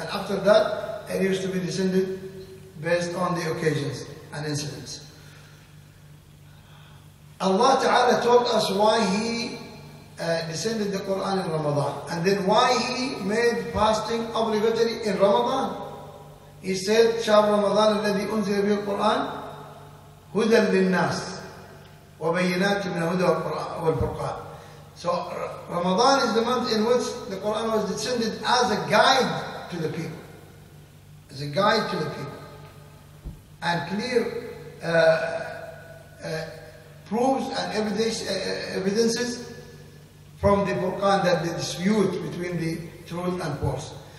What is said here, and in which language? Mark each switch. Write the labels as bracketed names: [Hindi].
[English] And after that, it used to be descended based on the occasions and incidents. Allah Ta'ala told us why he descended the Quran in Ramadan, and then why he made fasting obligatory in Ramadan. He said, [Arabic] شهر رمضان الذي أنزل به القرآن هدى للناس وبينات من الهدى والفرقان. [English] So Ramadan is the month in which the Quran was descended as a guide to the people, as a guide to the people, and clear proofs and evidences from the Quran that the dispute between the truth and false.